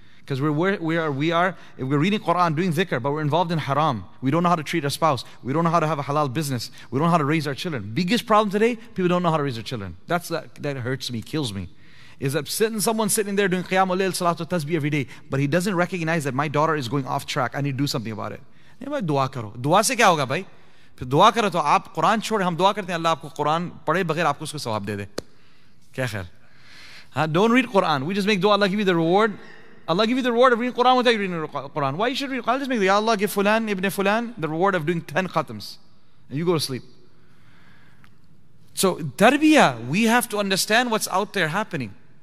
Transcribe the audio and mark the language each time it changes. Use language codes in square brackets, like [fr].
[en] Because we're reading Quran, doing dhikr, but we're involved in haram. We don't know how to treat our spouse. We don't know how to have a halal business. We don't know how to raise our children. Biggest problem today, people don't know how to raise their children. That hurts me, kills me. Is that someone sitting there doing qiyam ul-layl, salatu tasbih every day, but he doesn't recognize that my daughter is going off track. I need to do something about it. [ur] دعا کرو. دعا سے کیا ہوگا, بھائی? دعا کرو تو آپ قرآن چھوڑ, ہم دعا کرتے ہیں اللہ آپکو قرآن پڑھے بغیر آپکو اسکو ثواب دے دے. کیا خیر? [en] Don't read Quran. We just make dua, Allah give you the reward. Allah give you the reward of reading Quran without reading Quran. Why you should read Quran? I'll just make the, ya Allah give fulan ibn fulan the reward of doing 10 khatams. And you go to sleep. So tarbiyah, we have to understand what's out there happening.